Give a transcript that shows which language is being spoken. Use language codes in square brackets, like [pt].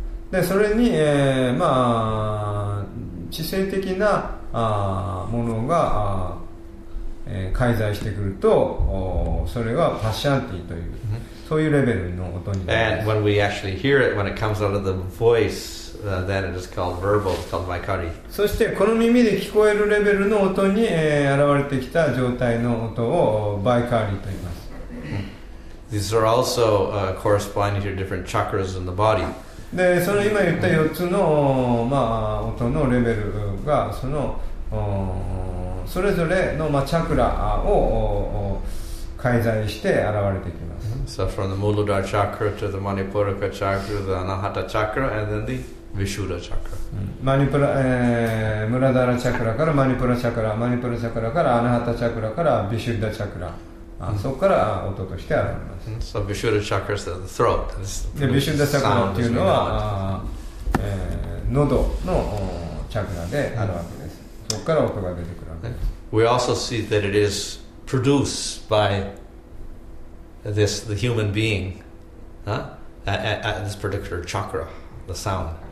[ja] でそれに、まあ、知性的なものが、介在してくるとそれはパッシャンティという、mm-hmm. そういうレベルの音になります。 [en] And when we actually hear it, when it comes out of the voice, then it is called verbal, it's called vaikari. [ja] そしてこの耳で聞こえるレベルの音に、現れてきた状態の音をバイカリと言います。 [en] These are also corresponding to different chakras in the body. [ja] でその今言った4つの、まあ、音のレベルが そのそれぞれの、まあ、チャクラを介在して現れてきます。 [en] So from the Muladhara chakra to the Manipuraka chakra, the Anahata chakra, and then the Vishuddha chakra. [ja] Manipura, Muladhara chakra から Manipura chakra, Manipura chakra から Anahata chakra から Vishuddha chakra. そこから音として現れます。 [en] So Vishuddha chakra is the throat. [ja] で、Vishuddha chakra っていうのは、喉のチャクラであるわけです。そこから音が出てくるわけです。 [en] We also see that it is produced by this the human being, at this particular chakra, the sound.